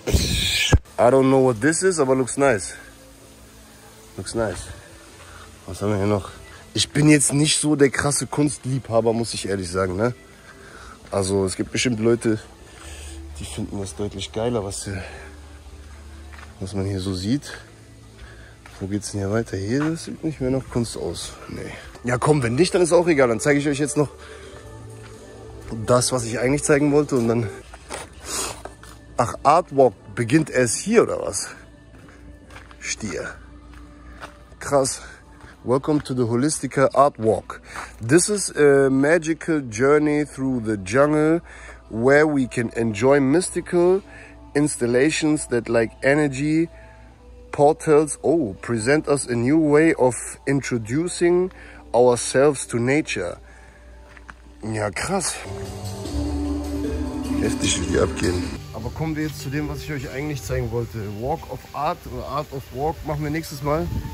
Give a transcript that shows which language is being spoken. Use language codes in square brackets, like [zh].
[en] I don't know what this is, [de] aber [en] looks nice. Looks nice. [de] Was haben wir hier noch? Ich bin jetzt nicht so der krasse Kunstliebhaber, muss ich ehrlich sagen. Ne? Also es gibt bestimmt Leute, die finden das deutlich geiler, was man hier so sieht. Wo geht's denn hier weiter? Hier, das sieht nicht mehr nach Kunst aus. Nee. Ja komm, wenn nicht, dann ist auch egal. Dann zeige ich euch jetzt noch das, was ich eigentlich zeigen wollte und dann... Ach, Artwalk beginnt erst hier oder was? Stier. Krass. [en] Welcome to the Holistica Art Walk. This is a magical journey through the jungle where we can enjoy mystical installations that, like energy portals, present us a new way of introducing ourselves to nature. [de] Ja, krass. Heftig, wie die abgehen. Aber kommen wir jetzt zu dem, was ich euch eigentlich zeigen wollte. Walk of Art oder Art of Walk machen wir nächstes Mal.